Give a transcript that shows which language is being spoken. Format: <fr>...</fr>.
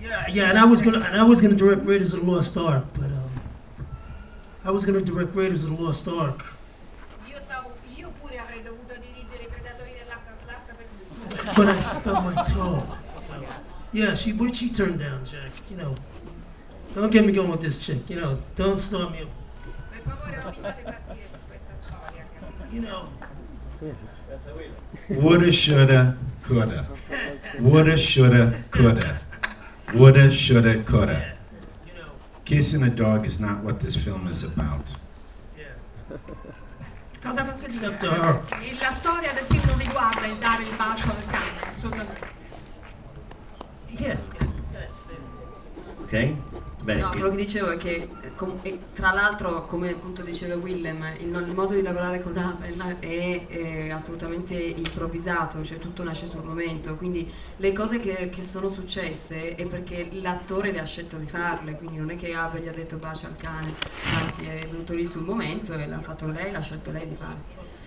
<en>Yeah, and I was gonna direct Raiders of the Lost Ark, but I was gonna direct Raiders of the Lost Ark.</en> <it>Io pure avrei dovuto dirigere i Predatori dell'Arca Perduta.</it> <en>But I stubbed my toe. Yeah, she turned down, Jack. You know, don't get me going with this chick. You know, don't start me up. You know. Woulda, shoulda, coulda. Woulda, shoulda, coulda. Woulda, shoulda, coulda. Kissing a dog is not what this film is about.</en> <it>Cosa posso dire? La storia del film non riguarda il dare il bacio al cane, assolutamente. No, quello che dicevo è che, tra l'altro, come appunto diceva Willem, il modo di lavorare con Abel è assolutamente improvvisato, cioè tutto nasce sul momento, quindi le cose che sono successe è perché l'attore le ha scelto di farle, quindi non è che Abel gli ha detto bacio al cane, anzi è venuto lì sul momento e l'ha fatto lei, l'ha scelto lei di fare.</it>